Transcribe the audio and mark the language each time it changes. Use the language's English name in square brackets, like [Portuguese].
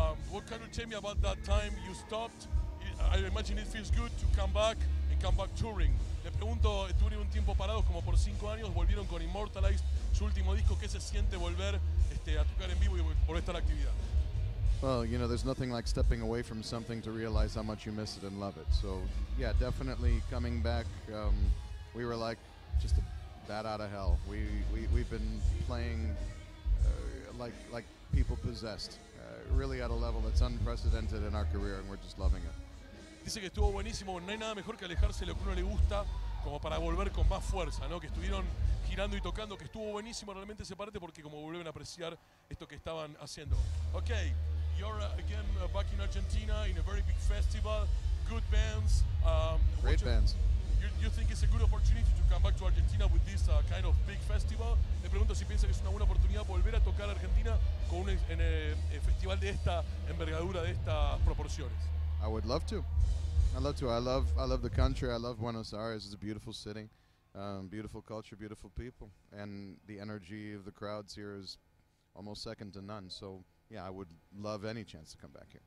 [English] What can you tell me about that time you stopped? I imagine it feels good to come back and come back touring. [Spanish] Le pregunto, estuvieron un tiempo parados como por 5 años, volvieron con Immortalized, su último disco. ¿Qué se siente volver a tocar en vivo y volver a esta actividad? [English] Well, you know, there's nothing like stepping away from something to realize how much you miss it and love it. So, yeah, definitely coming back, we were like just a bat out of hell. We've been playing like people possessed, really at a level that's unprecedented in our career, and we're just loving it. [Spanish] Dice que estuvo buenísimo. No hay nada mejor que alejarse de lo que uno le gusta como para volver con más fuerza, ¿no? Que estuvieron girando y tocando, que estuvo buenísimo realmente esa parte porque como vuelven a apreciar esto que estaban haciendo. [English] Okay. You're again back in Argentina in a very big festival, good bands. Great bands. You think it's a good opportunity to come back to Argentina with this kind of big festival? [Spanish] Le pregunto si piensa que es una buena oportunidad volver a tocar Argentina con un festival de esta envergadura, de estas proporciones. [English] I would love to. I love the country. I love Buenos Aires. It's a beautiful city, beautiful culture, beautiful people, and the energy of the crowds here is almost second to none. So. Yeah, I would love any chance to come back here.